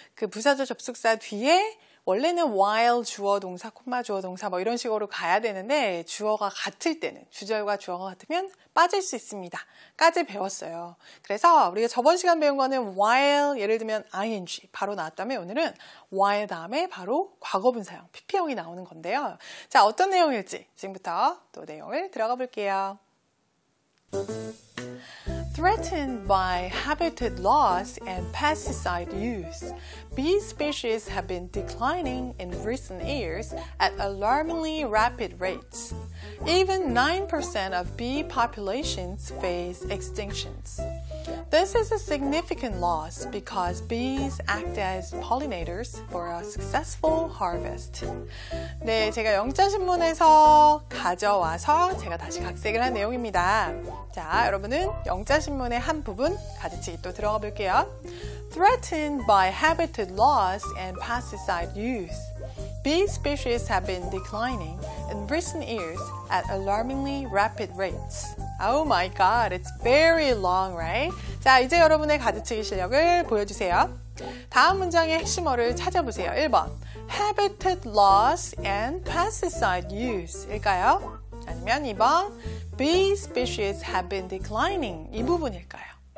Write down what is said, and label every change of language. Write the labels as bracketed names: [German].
[Korean] 그 부사조 접속사 뒤에 원래는 while 주어 동사, 콤마 주어 동사 뭐 이런 식으로 가야 되는데 주어가 같을 때는, 주절과 주어가 같으면 빠질 수 있습니다. 까지 배웠어요. 그래서 우리가 저번 시간 배운 거는 while, 예를 들면 ing 바로 나왔다면 오늘은 while 다음에 바로 과거분사형, PP형이 나오는 건데요. 자, 어떤 내용일지 지금부터 또 내용을 들어가 볼게요. [English] Threatened by habitat loss and pesticide use, bee species have been declining in recent years at alarmingly rapid rates. Even 9% of bee populations face extinctions. This is a significant loss because bees act as pollinators for a successful harvest. [Korean] 네, 제가 영자신문에서 가져와서 제가 다시 각색을 한 내용입니다. 자, 여러분은 영자신문의 한 부분 같이 또 들어가 볼게요. [English] Threatened by habitat loss and pesticide use, bee species have been declining in recent years at alarmingly rapid rates. Oh my god, it's very long, right? [Korean] 자, 이제 여러분의 가르치기 실력을 보여주세요. 다음 문장의 핵심어를 찾아보세요. [English] 1번, habitat loss and pesticide use일까요? [Korean] 아니면 2번, [English] bee species have been declining [Korean] 이 부분일까요?